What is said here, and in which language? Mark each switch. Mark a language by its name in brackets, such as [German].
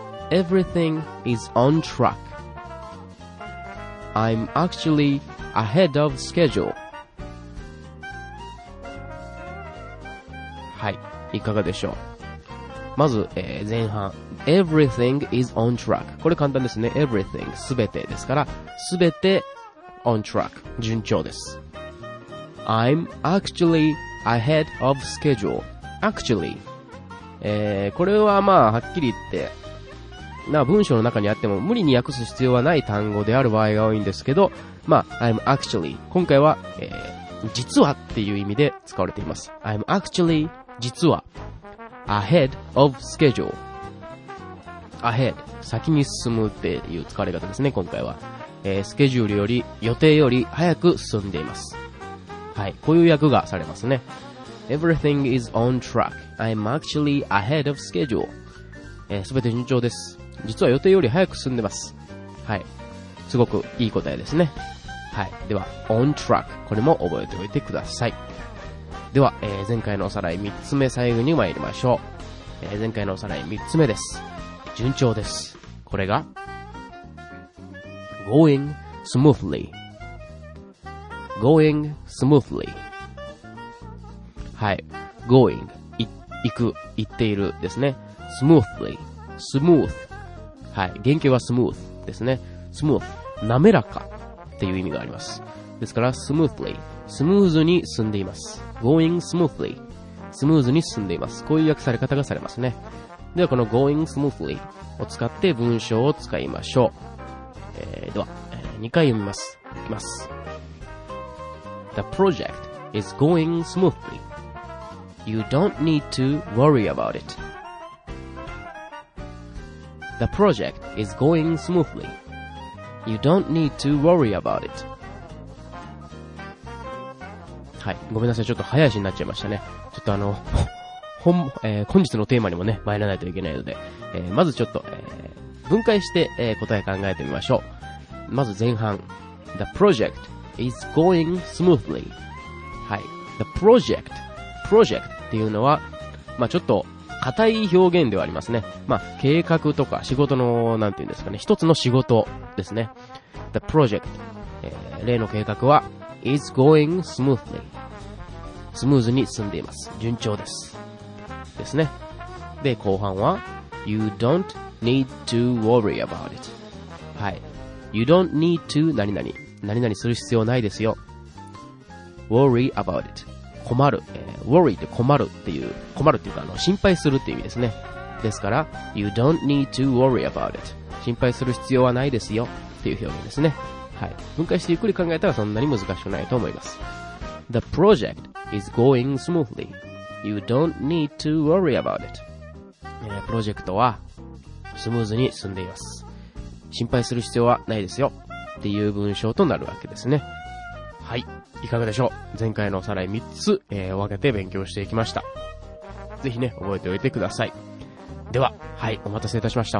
[English] Everything is on track. I'm actually ahead of schedule. [Japanese] はい、いかがでしょう。 [English] まず、前半 Everything is on track。 [Japanese] これ簡単ですね。 Everything、 すべてですから、すべて on track、 順調です。 [English] I'm actually ahead of schedule。 [Japanese] Actually、これはまあはっきり言ってな、文章の中にあっても無理に訳す必要はない単語である場合が多いんですけど、まあ、 [English] I'm actually [Japanese] 今回は、実はっていう意味で使われています。 [English] I'm actually 実は ahead of schedule。 [Japanese] ahead 先に進むっていう使われ方ですね。今回は、スケジュールより予定より早く進んでいます。はい、こういう訳がされますね。 [English] Everything is on track. I'm actually ahead of schedule. [Japanese] 全て順調です。実は予定より早く進んでます。はい、すごくいい答えですね。はい、では on track、 これも覚えておいてください。では、前回のおさらい3つ目最後に参りましょう。前回のおさらい3つ目です。順調です。これが going smoothly。 going smoothly、 はい、 going、 行く、行っているですね。 smoothly、 smooth、 はい、原型は smooth ですね。 smooth、 滑らかっていう意味があります。ですから smoothly、 スムーズに進んでいます。 going smoothly、 スムーズに進んでいます。こういう訳され方がされますね。ではこの going smoothly を使って文章を使いましょう。では、2回読みます。いきます。 [English] The project is going smoothly. You don't need to worry about it. The project is going smoothlyYou don't need to worry about it. [Japanese] はい、ごめんなさい、ちょっと早足になっちゃいましたね。ちょっとあの本日のテーマにもね参らないといけないので、まずちょっと、分解して、答え考えてみましょう。 [English] まず前半、 The project is going smoothly。 [Japanese] はい、 The project、 プロジェクトっていうのはまあちょっと硬い表現ではありますね。まあ、計画とか仕事の、なんていうんですかね、一つの仕事ですね。 [English] The project、 [Japanese] 例の計画は、 [English] is going smoothly。 [Japanese] スムーズに進んでいます。順調です。ですね。 [English] で、後半は、you don't need to worry about it。 [Japanese] はい。 [English] you don't need to 何々。 [Japanese] 何々する必要ないですよ。 [English] worry about it。 [Japanese] 困る、worry って困るっていう、困るっていうか、あの、心配するっていう意味ですね。 [English] ですから、you don't need to worry about it。 [Japanese] 心配する必要はないですよっていう表現ですね。はい。分解してゆっくり考えたらそんなに難しくないと思います。 [English] The project is going smoothly. You don't need to worry about it. [Japanese] プロジェクトはスムーズに進んでいます。心配する必要はないですよっていう文章となるわけですね。はい、いかがでしょう。前回のおさらい3つ、分けて勉強していきました。ぜひね、覚えておいてください。では、はい、お待たせいたしました。